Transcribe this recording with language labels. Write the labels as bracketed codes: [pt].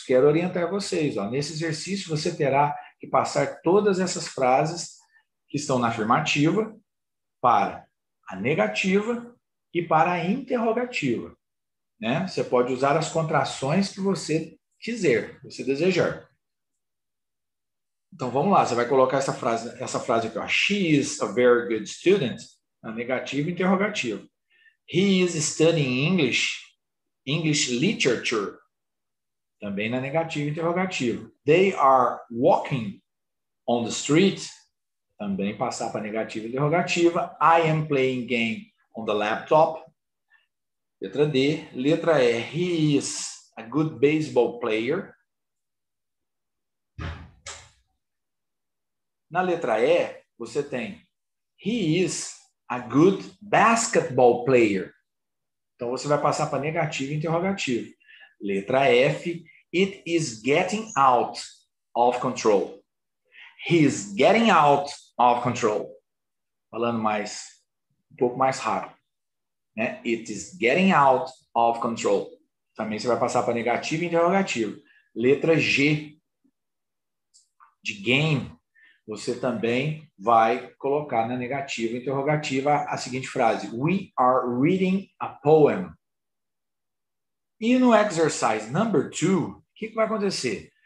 [pt] Quero orientar vocês, ó. Nesse exercício, você terá que passar todas essas frases que estão na afirmativa para a negativa e para a interrogativa, né? Você pode usar as contrações que você quiser, você desejar. Então vamos lá, você vai colocar essa frase aqui, ó. [en] She is a very good student. [pt] A negativa e interrogativa. [en] He is studying English literature. [pt] Também na negativa e interrogativa. [en] They are walking on the street. [pt] Também passar para negativa e interrogativa. [en] I am playing game on the laptop. [pt] Letra D. Letra E. [en] He is a good baseball player. [pt] Na letra E, você tem [en] he is a good basketball player. [pt] Então você vai passar para negativa e interrogativa. Letra F, [en] it is getting out of control. He is getting out of control. [pt] Falando mais, um pouco mais rápido, né? [en] It is getting out of control. [pt] Também você vai passar para negativa e interrogativa. Letra G, de game. Você também vai colocar na negativa interrogativa a seguinte frase: [en] We are reading a poem. [pt] E no exercise number two, o que que vai acontecer?